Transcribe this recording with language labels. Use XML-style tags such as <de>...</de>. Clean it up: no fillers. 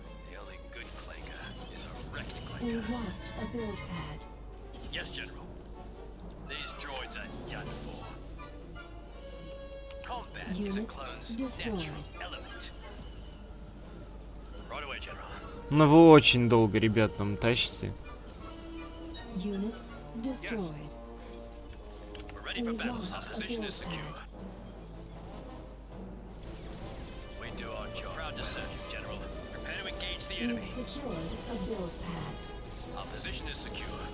<en>The only good clanker is a wrecked clanker. We've lost a build pad. Yes, General. These droids are done for. Combat is a clone's natural element. Right away, General.</en> <ru>Ну вы очень долго, ребят, нам тащите.</ru> <en>Unit destroyed. We're ready for battle, sir. Position is secure. We do our job. Proud to serve you, General. Prepare to engage the enemy. We've secured a build pad. Our position is secure.</en>